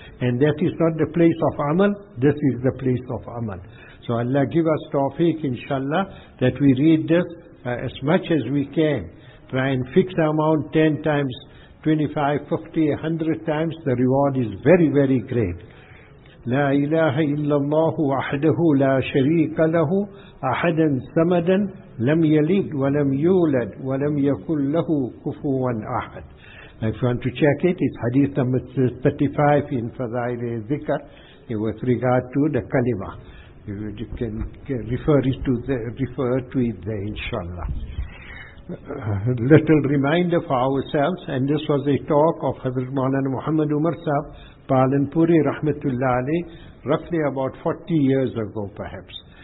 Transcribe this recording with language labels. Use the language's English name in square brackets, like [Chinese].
[English] And that is not the place of amal, this is the place of amal. So Allah give us tawfiq, inshallah, that we read this as much as we can. Try and fix the amount 10 times, 25, 50, 100 times, the reward is very, very great. [Arabic] لا إله إلا الله وحده لا شريك له أحدا سمدا لم يلد ولم يولد ولم يكن له كفوا أحد. [English] Now if you want to check it, it's hadith number 35 in Fadail al-Dhikr with regard to the kalima. You can refer to it there, inshallah. A little reminder for ourselves, and this was a talk of Hazrat Maulana Muhammad Umar Sahib Palanpuri Rahmatullah Ali, roughly about 40 years ago perhaps.